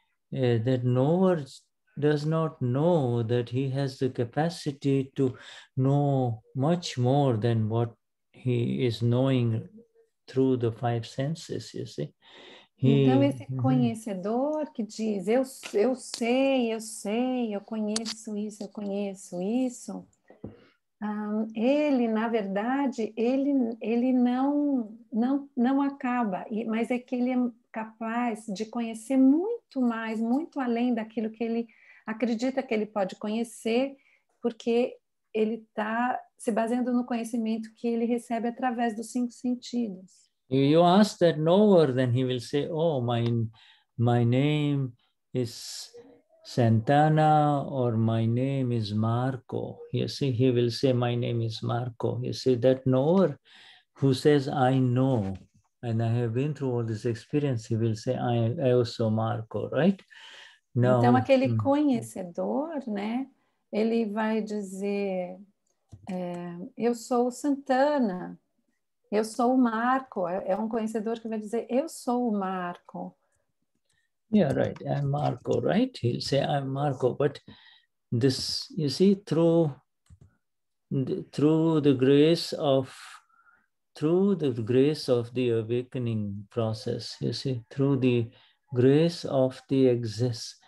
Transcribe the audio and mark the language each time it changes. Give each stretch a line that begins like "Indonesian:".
English: That knower does not know that he has the capacity to know much more than what he is knowing through the five senses, you see.
Portuguese: Então, esse conhecedor que diz, eu sei, eu conheço isso, ele, na verdade, ele não acaba, mas é que ele é capaz de conhecer muito mais, muito além daquilo que ele acredita que ele pode conhecer, porque ele está se baseando no conhecimento que ele recebe através dos cinco sentidos.
English: You ask that knower, then he will say, oh, my name is Santana, or my name is Marco. You see, he will say, my name is Marco. You see, that knower who says, I know, and I have been through all this experience, he will say, I also Marco, right? No.
Portuguese: Então, aquele conhecedor, né, ele vai dizer, eu sou o Santana, eu sou o Marco. É um conhecedor que vai dizer, eu sou o Marco.
English: Yeah, right. I'm Marco, right? He'll say, I'm Marco. But this, you see, through the grace of the awakening process, you see, through the grace of the exist.